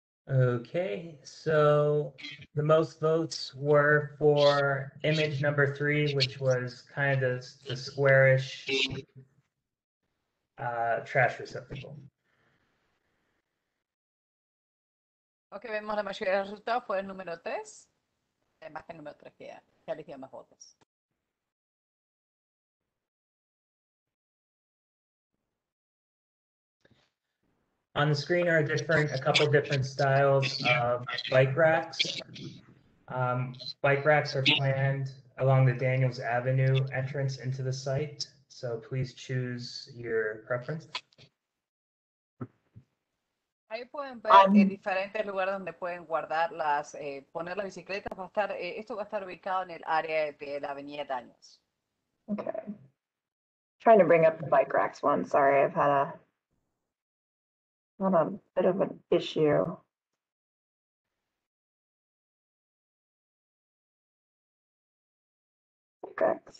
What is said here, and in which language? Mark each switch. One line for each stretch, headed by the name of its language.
English: Okay, so the most votes were for image number three, which was kind of the squarish trash receptacle.
Spanish: Okay, vemos la mayoría de los resultados fue el número tres, la imagen número tres que eligió más votos.
English: On the screen are a couple different styles of bike racks. Bike racks are planned along the Daniels Avenue entrance into the site, so please choose your preference.
Spanish: Ahí pueden ver diferentes lugares donde pueden guardar las poner las bicicletas. Va a estar esto va a estar ubicado en el área de la Avenida Daniels.
English: Okay. Trying to bring up the bike racks one. Sorry, I've had a not a bit of an issue. Okay.